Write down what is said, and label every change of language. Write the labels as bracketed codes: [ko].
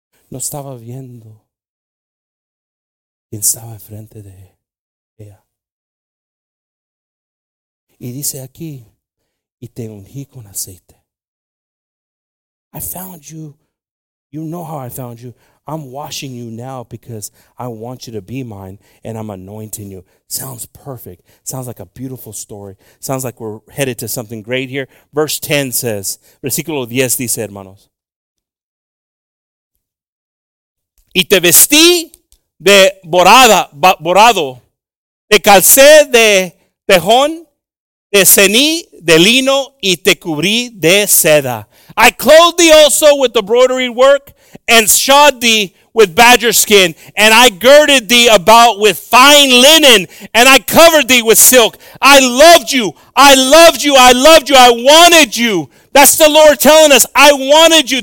[es] No estaba viendo quien estaba enfrente de ella. Y dice aquí, y te ungí con aceite. [en] I found you. You know how I found you. I'm washing you now because I want you to be mine and I'm anointing you. Sounds perfect. Sounds like a beautiful story. Sounds like we're headed to something great here. Verse 10 says, [es] versículo 10 dice, hermanos. Y te vestí de borada, borado, te calcé de tejón, te ceñí de lino y te cubrí de seda. [en] I clothed thee also with embroidery work and shod thee with badger skin, and I girded thee about with fine linen, and I covered thee with silk. I loved you, I loved you, I loved you, I wanted you. That's the Lord telling us, I wanted you.